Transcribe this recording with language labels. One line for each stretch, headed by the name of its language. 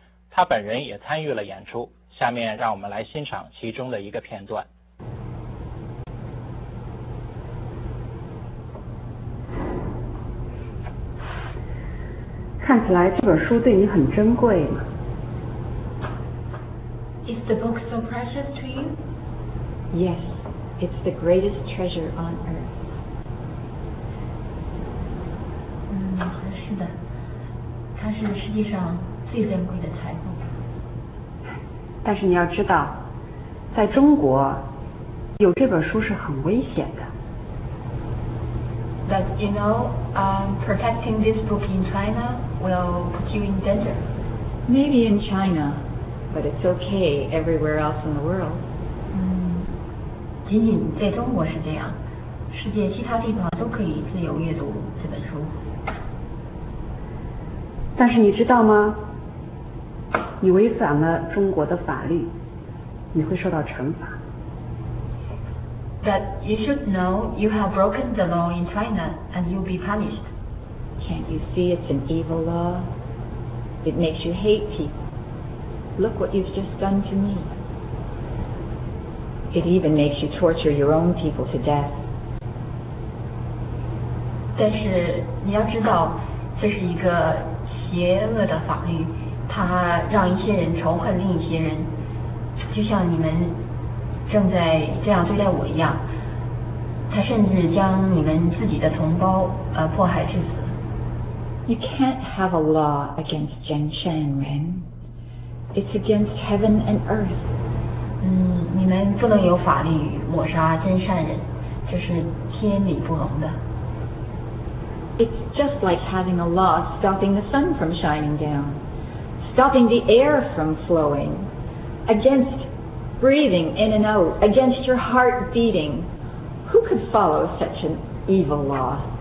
Chinese: 他本人也参与了演出，下面让我们来欣赏其中的一个片段。看起来这本书对你很珍贵。
English: Is the book so precious to you? Yes. It's the greatest treasure on earth.
Chinese: 是的，它是世界上最珍贵的财富。但是你要知道，在中国，有这本书是很危险的。
English: But you know, protecting this book in China will put you in danger. Maybe in China, but it's okay everywhere else in the world.
Chinese: 仅仅在中国是这样，世界其他地方都可以自由阅读这本书。但是你知道吗？你违反了中国的法律，你会受到惩罚。
English: But you should know you have broken the law in China and you'll be punished. Can't you see it's an evil law? It makes you hate people. Look what you've just done to me. It even makes you torture your own people to death.
Chinese: 但是你要知道，这是一个邪恶的法律，它让一些人仇恨另一些人，就像你们正在这样对待我一样。它甚至将你们自己的同胞迫害致死。
English: You can't have a law against Zhen Shen and Ren. It's against heaven and earth.
Chinese: 你们不能有法律抹杀真善人，这是天理不容的。
English: It's just like having a law stopping the sun from shining down, stopping the air from flowing, against breathing in and out, against your heart beating. Who could follow such an evil law?